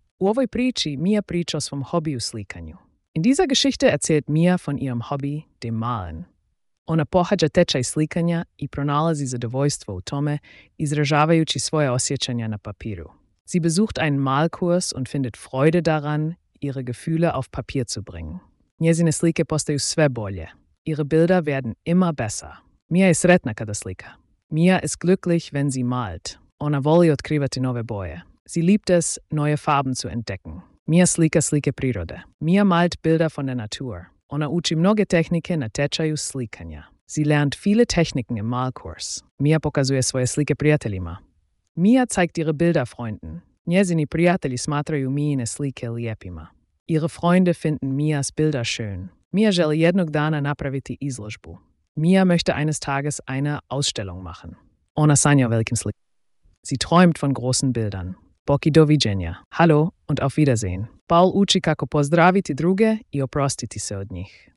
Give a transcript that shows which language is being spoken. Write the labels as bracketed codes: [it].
[hr] U ovoj priči Mia priča o svom hobiju slikanju. [de] In dieser Geschichte erzählt Mia von ihrem Hobby, dem Malen. [hr] Ona pohađa tečaj slikanja i pronalazi zadovoljstvo u tome, izražavajući svoje osjećanja na papiru. [de] Sie besucht einen Malkurs und findet Freude daran, ihre Gefühle auf Papier zu bringen. [hr] Njezine slike postaju sve bolje. [de] Ihre Bilder werden immer besser. [hr] Mia je sretna kada slika. [de] Mia ist glücklich, wenn sie malt. [hr] Ona voli otkrivati nove boje. [de] Sie liebt es, neue Farben zu entdecken. [hr] Mia slika slike prirode. [de] Mia malt Bilder von der Natur. [hr] Ona uči mnoge tehnike na tečaju slikanja. [de] Sie lernt viele Techniken im Malkurs. [hr] Mia pokazuje svoje slike prijateljima. [de] Mia zeigt ihre Bilder Freunden. [hr] Njezini prijatelji smatraju Mijine slike lijepima. [de] Ihre Freunde finden Mias Bilder schön. [hr] Mia želi jednog dana napraviti izložbu. [de] Mia möchte eines Tages eine Ausstellung machen. [hr] Ona sanja o velikim slikama. [de] Sie träumt von großen Bildern. [hr] Boki doviđenja. [de] Hallo und auf Wiedersehen. [hr] Paul uči kako pozdraviti druge i oprostiti se od njih.